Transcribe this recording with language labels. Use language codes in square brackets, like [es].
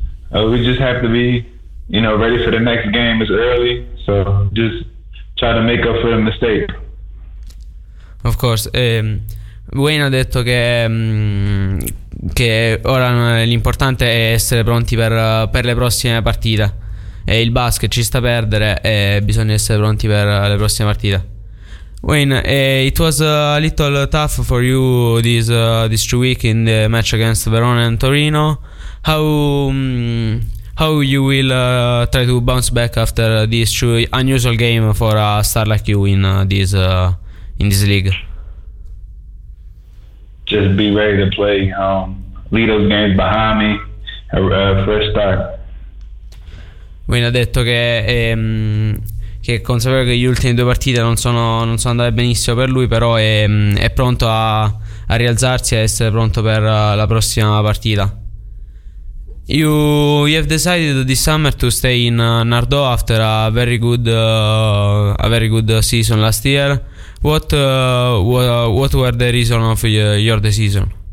[en] We just have to be, you know, ready for the next game. It's early, so just try to make up for the mistake. Of course. [it] Wayne ha detto che ora l'importante è essere pronti per le prossime partite. E il basket ci sta a perdere e bisogna essere pronti per le prossime partite. [en] Wayne, it was a little tough for you this 2 week in the match against Verona and Torino. How you will try to bounce back after this two unusual game for a star like you in this league? Just be ready to play. Lead those games behind me. First start. [it] Wayne ha detto che è consapevole che gli ultimi due partite non sono andate benissimo per lui, però è pronto a rialzarsi e essere pronto per la prossima partita. [en] You have decided this summer to stay in Nardò after a very good season last year. What were the reason of your decision?